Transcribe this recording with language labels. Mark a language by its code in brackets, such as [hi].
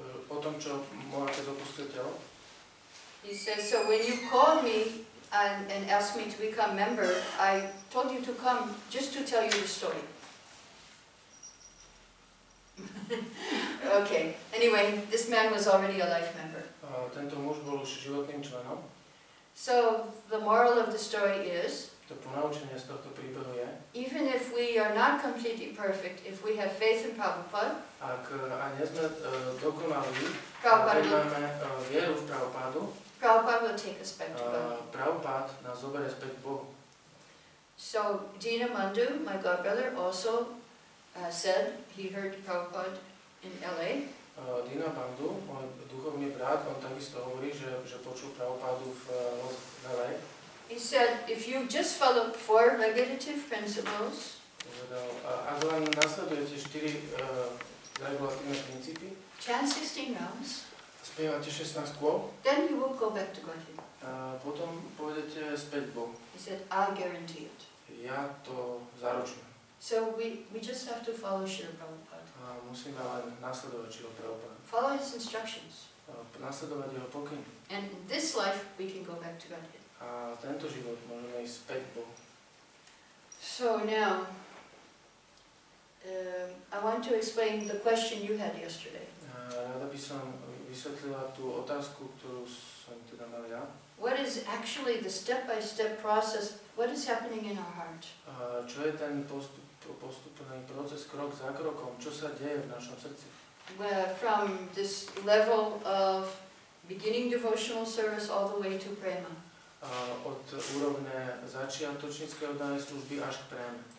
[sk] Po tom, čo môj otec opustil telo, [en] he says, so when you called me and asked me to become member, I told you to come just to tell you the story. Okay, anyway, this man was already a life member. [sk] Tento muž bol už životným členom. [en] So the moral of the story is, [sk] to ponaučenie z tohto príbehu je, [en] even if we are not completely perfect, if we have faith in Prabhupada, [sk] ak nie sme dokonali, Prabhupada, ak máme vieru v Prabhupádu, [en] Prabhupada will take us back to God. [sk] Prabhupada nás zoberie späť k Bohu. [en] So Dina Mandu, my godbrother, also said he heard Prabhupada in LA. [sk] Dina Mandu, on duchovný brat, on takisto hovorí, že počul Prabhupádu v LA. [en] He said, if you just follow four regulative principles, [sk] ak len nasledujete štyri regulatívne princípy, [en] chant 16 rounds, [sk] spievate 16 kôl, [en] then you will go back to Godhead. [sk] Potom pôjdete späť Bohu. [en] He said, I'll guarantee it. [sk] Ja to zaručujem. [en] So we just have to follow Shri Prabhupada. [sk] Musíme len nasledovať Shri Prabhupada. [en] Follow his instructions. [sk] Nasledovať jeho pokyn. [en] And in this life we can go back to Godhead. [sk] A tento život môžeme ísť späť Bohu. [en] So now, I want to explain the question you had yesterday. [sk] Rada by som vysvetlila tú otázku, ktorú som teda mal ja. [en] What is actually the step-by-step process, what is happening in our heart? [sk] Čo je ten postupný proces, krok za krokom, čo sa deje v našom srdci? [en] From this level of beginning devotional service all the way to prema. [sk] Od úrovne začiatočníckej oddanej služby až k prema.